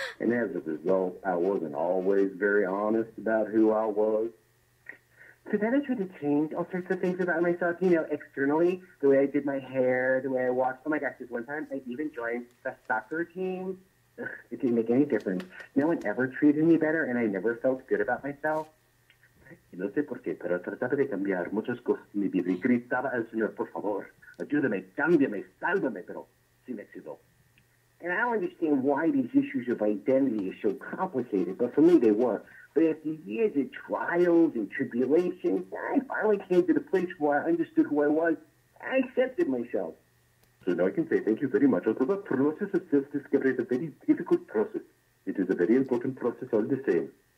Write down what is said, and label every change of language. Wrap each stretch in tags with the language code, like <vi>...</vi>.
<en>And as a result, I wasn't always very honest about who I was. So then I tried to change all sorts of things about myself, you know, externally, the way I did my hair, the way I walked. Oh, my gosh, this one time I even joined the soccer team. Ugh, it didn't make any difference. No one ever treated me better, and I never felt good about myself.</en> <es>Y no sé por qué, pero trataba de cambiar muchas cosas en mi vida y gritaba al Señor, por favor, ayúdame, cámbiame, sálvame, pero sin éxito.</es> <en>And I don't understand why these issues of identity are so complicated, but for me they were. But after years of trials and tribulations, I finally came to the place where I understood who I was. I accepted myself. So now I can say thank you very much. Although the process of self-discovery is a very difficult process, it is a very important process all the same.</en>